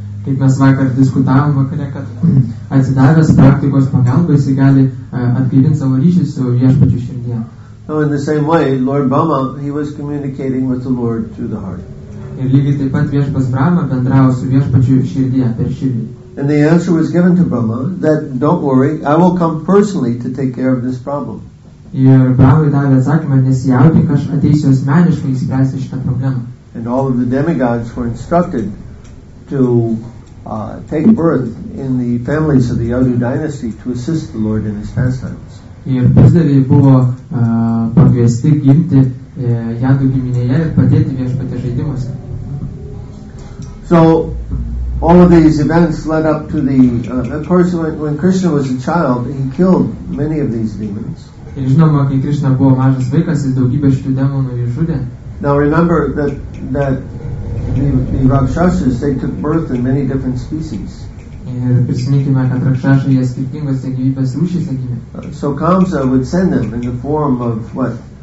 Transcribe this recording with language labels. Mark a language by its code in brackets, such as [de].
[lt] Kaip mes vakar diskutavom vakare, kad atsidavęs praktikos pagalba, jis gali atgyvinti savo ryšį su viešpačiu širdyje. [en] So in the same way, Lord Brahma, he was communicating with the Lord through the heart. [lt] Ir lygiai taip pat viešpas Brahma bendravo su viešpačiu širdyje per širdį. [en] And the answer was given to Brahma that, don't worry, I will come personally to take care of this problem. [lt] Ir Brahma davė atsakymą, nesijaudink, aš ateisiu asmeniškai išspręsti šitą problemą. [en] And all of the demigods were instructed to take birth in the families of the Yadu dynasty to assist the Lord in his pastimes. [lt] Ir pusdaviai buvo pakviesti gimti Yadu giminėje ir padėti viešpatie žaidimuose. [en] So all of these events led up to the of course when Krishna was a child, he killed many of these demons. [lt] Ir žinoma, kai Krishna buvo mažas vaikas, jis daugybę šitų demonų išžudė. [en] Now remember that the Rakshasas, they took birth in many different species. [lt] Ir prisiminkime, kad Rakshasai jie skirtingose gyvybės rūšyse gimė. [en] So Kamsa would send them in the form of what?